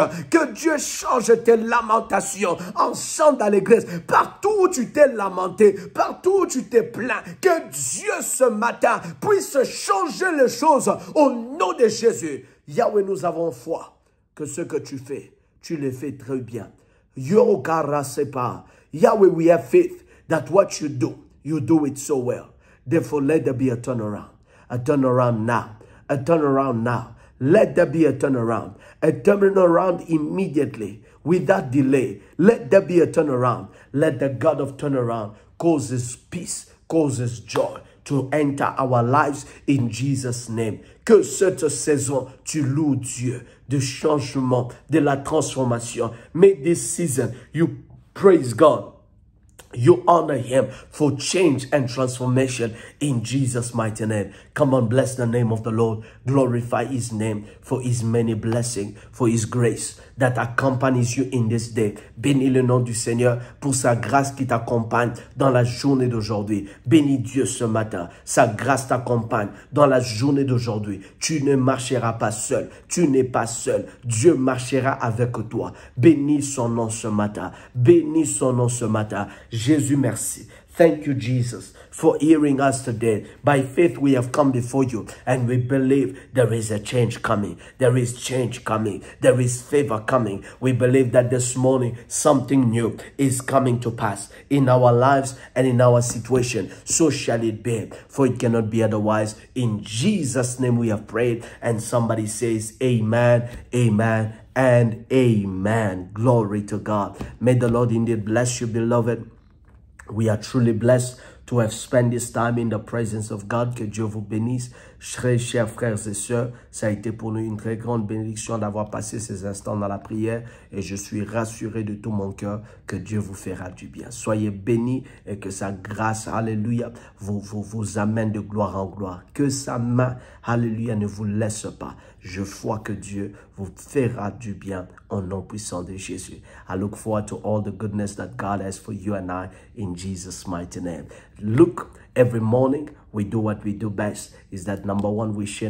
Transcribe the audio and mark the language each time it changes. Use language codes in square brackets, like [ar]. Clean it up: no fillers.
[fr] Que Dieu change tes lamentations en chant d'allégresse. Partout où tu t'es lamenté, partout où tu t'es plaint, que Dieu ce matin puisse changer les choses au nom de Jésus. Yahweh, nous avons foi que ce que tu le fais très bien. Yorokara sepa. [en] Yahweh, we have faith that what you do it so well. Therefore, let there be a turnaround. A turnaround now. A turnaround now. Let there be a turnaround. A turnaround immediately, without delay. Let there be a turnaround. Let the God of turnaround cause his peace, cause his joy to enter our lives in Jesus' name. [fr] Que cette saison, tu loues Dieu de changement, de la transformation. [en] May this season, you praise God. You honor him for change and transformation in Jesus' mighty name. Come on, bless the name of the Lord. Glorify his name for his many blessings, for his grace that accompanies you in this day. [fr] Bénis le nom du Seigneur pour sa grâce qui t'accompagne dans la journée d'aujourd'hui. Bénis Dieu ce matin. Sa grâce t'accompagne dans la journée d'aujourd'hui. Tu ne marcheras pas seul. Tu n'es pas seul. Dieu marchera avec toi. Bénis son nom ce matin. Bénis son nom ce matin. Jésus, merci. [en] Thank you, Jesus, for hearing us today. By faith, we have come before you, and we believe there is a change coming. There is change coming. There is favor coming. We believe that this morning, something new is coming to pass in our lives and in our situation. So shall it be, for it cannot be otherwise. In Jesus' name, we have prayed, and somebody says, amen, amen, and amen. Glory to God. May the Lord indeed bless you, beloved. We are truly blessed to have spent this time in the presence of God. [fr] Que Dieu vous bénisse, très chers frères et sœurs. Ça a été pour nous une très grande bénédiction d'avoir passé ces instants dans la prière. Et je suis rassuré de tout mon cœur que Dieu vous fera du bien. Soyez bénis et que sa grâce, alléluia, vous amène de gloire en gloire. Que sa main, alléluia, ne vous laisse pas. Je crois que Dieu vous fera du bien au nom puissant de Jésus. [en] I look forward to all the goodness that God has for you and I in Jesus' mighty name. Look, every morning we do what we do best is that number one, we share.